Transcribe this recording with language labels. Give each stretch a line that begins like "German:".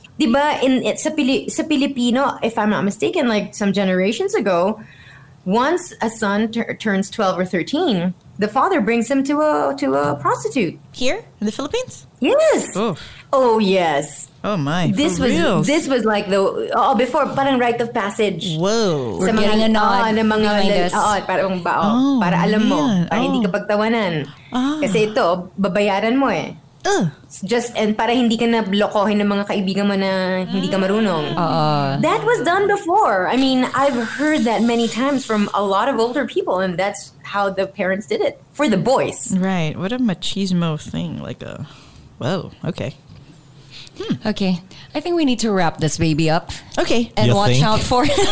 Filipino: Diba in sa Pilipino,
English: if I'm not mistaken, like some generations ago, once a son turns 12 or 13, the father brings him to a prostitute. Here in the Philippines? Yes. Oof. Oh yes! Oh my! This for was reals. This was like the oh before parang rite of passage. Whoa! We're getting a nod.
Filipino: Ah, mga parang baon para alam mo para hindi ka pagtawanan. Kasi ito babayaran mo eh. Just and para hindi ka na blokohin ng mga kaibigan mo na hindi ka marunong.
English: That was done before. I mean, I've heard that many times from a lot of older people, and that's how the parents did it for the boys. Right? What a machismo thing! Like a. Whoa, okay. Okay, I think we need to wrap this baby up. Okay. And you'll watch think? Out for...